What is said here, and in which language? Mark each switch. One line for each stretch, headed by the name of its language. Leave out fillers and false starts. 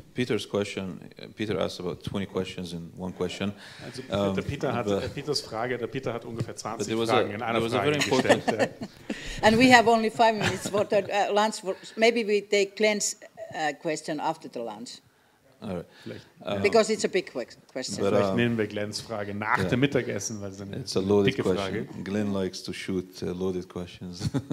English: Peter's question, Peter asked about 20 questions in one question.
German: Also Peter hat ungefähr 20 Fragen in einer Frage gestellt.
English: And we have only 5 minutes for the lunch. Maybe we take Glenn's question after the lunch. Because it's a big question.
German: But, vielleicht nehmen wir Glenns Frage nach dem Mittagessen, weil es eine
English: it's a loaded
German: dicke
English: question.
German: Frage.
English: Glenn likes to shoot loaded questions.